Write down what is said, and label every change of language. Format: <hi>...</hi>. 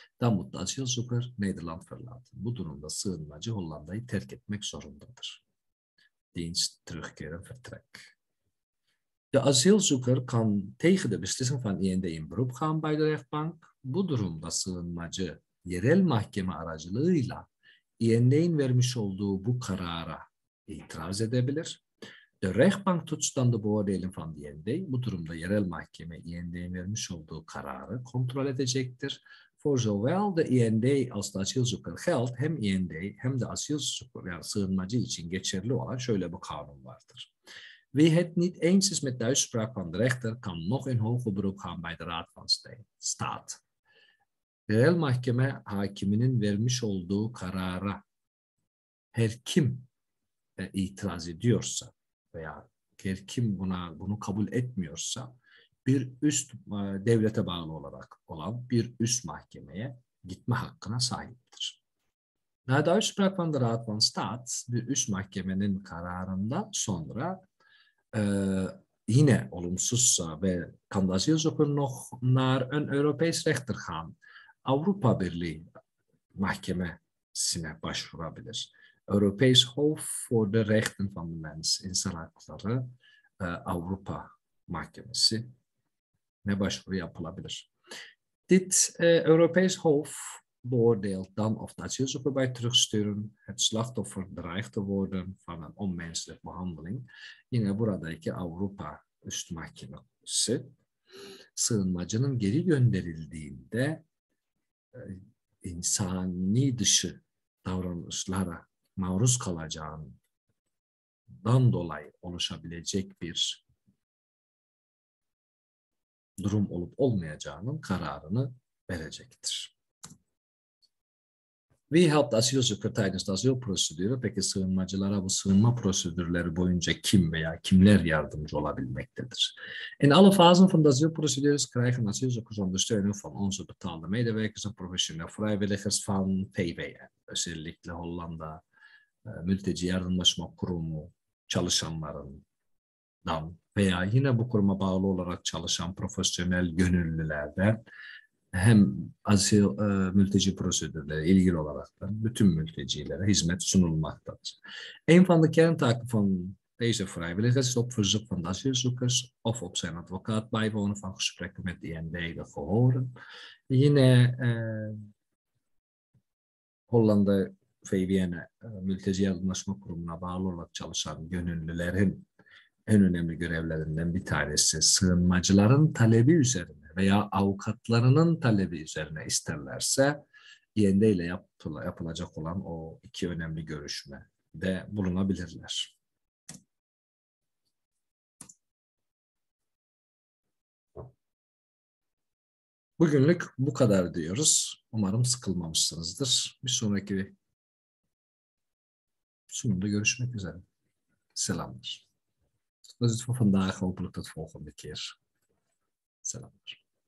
<nl>Dan moet de asielzoeker Nederland verlaten.</nl> <tr>Bu durumda sığınmacı Hollanda'yı terk etmek zorundadır.</tr> <nl>Dienst terugkeren vertrek. De asielzoeker kan tegen de beslissing van IND in beroep gaan bij de rechtbank.</nl> <tr>Bu durumda sığınmacı yerel mahkeme aracılığıyla IND'in vermiş olduğu bu karara itiraz edebilir.</tr> <nl>De rechtbank toetst dan de beoordeling van IND.</nl> <tr>Bu durumda yerel mahkeme IND'in vermiş olduğu kararı kontrol edecektir.</tr> <nl>Voor zowel de IND als de asielzoeker geldt,</nl> <tr>hem IND hem de asielzoeker, yani sığınmacı için geçerli olan şöyle bir kanun vardır.</tr> <nl>Wie het niet eens is met de uitspraak van de rechter, kan nog in hoger beroep gaan bij de Raad van State.</nl> <tr>Yerel mahkeme hakiminin vermiş olduğu karara her kim itiraz ediyorsa veya her kim bunu kabul etmiyorsa bir üst devlete bağlı olarak olan bir üst mahkemeye gitme hakkına sahiptir.</tr> <nl>Na de uitspraak van de Raad van State,</nl> <tr>bir üst mahkemenin kararından sonra yine olumsuzsa ve</tr> <nl>kan de asielzoeker nog naar een Europees rechter gaan.</nl> <tr>Avrupa Birliği mahkemesine başvurabilir.</tr> <nl>Europees Hof voor de Rechten van de Mens,</nl> <tr>insan hakları Avrupa Mahkemesi ne başvuru yapılabilir.</tr> <nl>Dit Europees Hof beoordeelt dan of dat hulp bij terugsturen het slachtoffer dreigt te worden van een onmenselijke behandeling.</nl> <tr>Yine buradaki Avrupa Üst Mahkemesi sığınmacının geri gönderildiğinde insani dışı davranışlara maruz kalacağından dolayı oluşabilecek bir durum olup olmayacağının kararını verecektir.</tr> <nl>Wie helpt asielzoeker tijdens de asielprocedure?</nl> <tr>Peki sığınmacılara bu sığınma prosedürleri boyunca kim veya kimler yardımcı olabilmektedir?</tr> <nl>In alle fasen van de asielprocedure krijgen asielzoekers ondersteuning van onze betaalde medewerkers en professionele vrijwilligers van PWN.</nl> <tr>Özellikle Hollanda Mülteci Yardımlaşma Kurumu çalışanlarından veya yine bu kuruma bağlı olarak çalışan profesyonel gönüllülerden hem asil mülteci prosedürleri ilgili olarak da bütün mültecilere hizmet sunulmaktadır.</tr> <nl>Een van de kerntaken van deze vrijwilligers is op verzoek van de asielzoekers of op zijn advocaat bijwonen van gesprekken met de IND de gehoren.</nl> <tr>Yine Hollanda VWN'e mülteci yardımlaşma kurumuna bağlı olarak çalışan gönüllülerin en önemli görevlerinden bir tanesi sığınmacıların talebi üzerine veya avukatlarının talebi üzerine isterlerse IND ile yapılacak olan o iki önemli görüşmede bulunabilirler. Bugünlük bu kadar diyoruz. Umarım sıkılmamışsınızdır. Bir sonraki sunumda görüşmek üzere. Selamlar.</tr> <nl>Dat is het voor vandaag. Hopelijk tot volgende keer. Selamlar.</nl>